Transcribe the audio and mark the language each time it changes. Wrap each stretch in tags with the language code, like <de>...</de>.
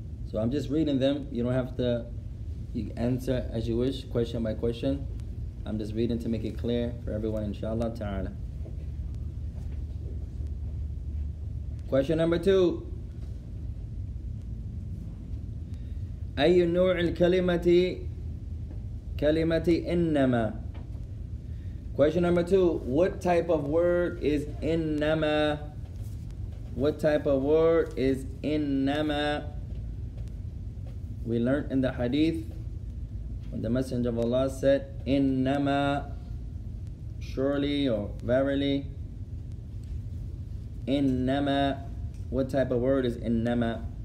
<en>So I'm just reading them. You don't have to, you answer as you wish, question by question. I'm just reading to make it clear for everyone, inshallah ta'ala. Question number two.</en> <ar>أي نوع الكلمة كلمة إنما.</ar> <en>Question number two. What type of word is إنما? What type of word is إنما? We learned in the hadith when the Messenger of Allah said, Innama, surely or verily, Innama, what type of word is Innama?</en>